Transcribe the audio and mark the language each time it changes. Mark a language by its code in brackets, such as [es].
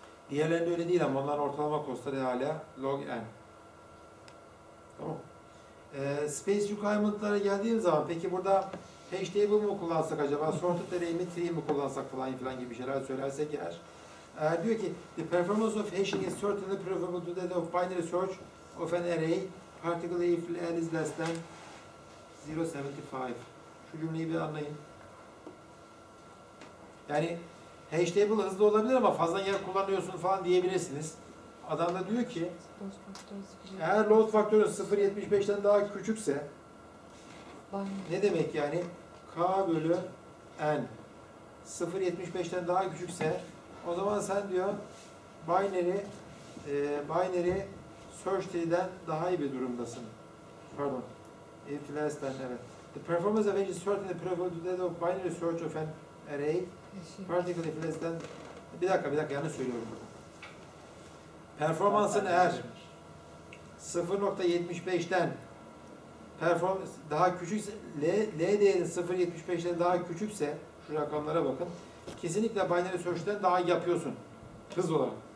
[tr] Diğerlerinde öyle değil ama onların ortalama costları hala log n. Tamam. Space requirement'lara geldiğim zaman, peki burada hash table mi kullansak acaba, sorted array mi, tree mi kullansak falan gibi şeyler söylersek eğer. Diyor ki, [en] the performance of hashing is certainly preferable to that of binary search of an array, particularly if n is less than 0.75. [tr] Şu cümleyi bir anlayın. Yani hash table hızlı olabilir ama fazla yer kullanıyorsun falan diyebilirsiniz. Adam da diyor ki, eğer load faktörü 0.75'ten daha küçükse, ne demek yani? K bölü N 0.75'ten daha küçükse, o zaman sen diyor binary search tree'den daha iyi bir durumdasın. Pardon. [en] If less than, [tr] evet. [en] The performance of hash is certainly preferable to that of binary search of an array. Particularly if less than, [tr] bir dakika yanlış söylüyorum. Performansın eğer 0.75'ten performans daha küçükse, L değeri 0.75'ten daha küçükse, şu rakamlara bakın, kesinlikle binary search'ten daha yapıyorsun hız olarak.